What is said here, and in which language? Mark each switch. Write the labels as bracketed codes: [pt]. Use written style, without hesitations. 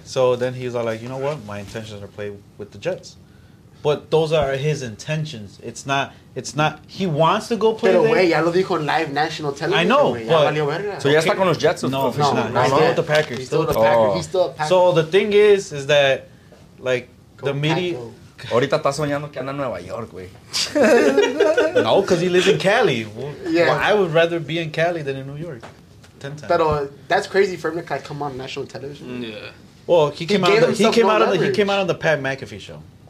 [en] So then he's all like, you know what? My intentions are to play with the Jets. But those are his intentions. It's not. He wants to go play [es] pero [en] there. [es] Pero, güey, ya lo dijo en [en] live national television. I know. But, [es] so, ya está con los Jets. [en] No, he's not. No, he's not with the Packers. He's still a Packer. So, the thing is that, like, the media. [es] Ahorita está soñando que anda en Nueva York, güey. [en] No, because he lives in Cali. Well, I would rather be in Cali than in New York. 10 times. But that's crazy for him to like, come on national television. Yeah. Well, he came out on the Pat McAfee show.